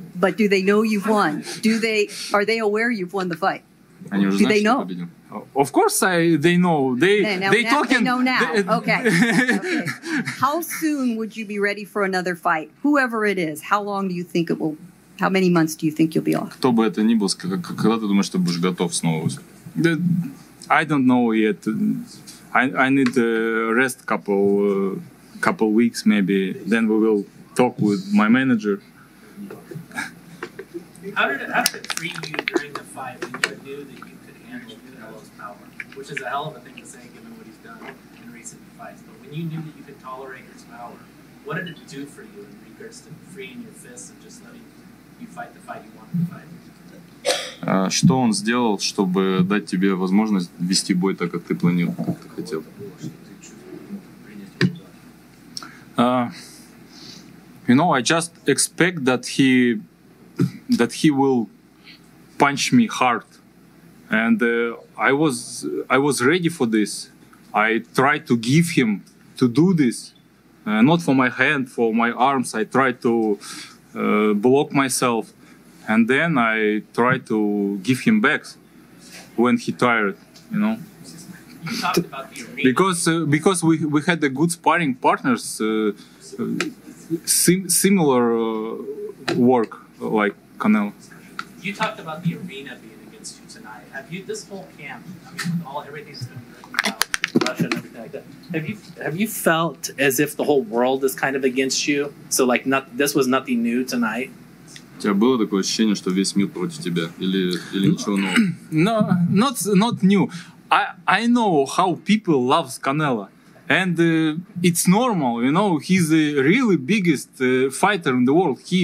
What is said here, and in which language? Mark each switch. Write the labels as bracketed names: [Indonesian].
[English] But do they know you've won? Are they aware you've won the fight? Do they know? Of course, they know. They know now. Okay. How soon would you be ready for another fight? Whoever it is, how long do you think it will? How many months do you think you'll be off? [Russian] Кто бы это ни был, когда ты думаешь, что будешь готов снова? [English] I don't know yet. I need to rest couple weeks maybe. Then we will talk with my manager. How did it treat you during the fight when you knew that you could handle Canelo's power? Which is a hell of a thing to say given what he's done in recent fights. But when you knew that you could tolerate his power, what did it do for you in regards to freeing your fists and just letting you fight the fight you wanted to fight? [Russian] Что он сделал, чтобы дать тебе возможность вести бой так, как ты планировал, как ты хотел? [English] You know, I just expect that he will punch me hard, and I was ready for this. I tried to give him to do this, not for my hand, for my arms. I tried to block myself. And then I tried to give him back when he tired, you know. Because we had a good sparring partners, similar work like Canelo. You talked about the arena being against you tonight. Have you this whole camp? I mean, with all everything's been written about Russia and everything like that. Have you felt as if the whole world is kind of against you? So like, not this was nothing new tonight. [Russian] У тебя было такое ощущение, что весь мир против тебя, или ничего нового? [English] No, not new. I know how people loves Canelo, And it's normal, you know, he's the really biggest fighter in the world.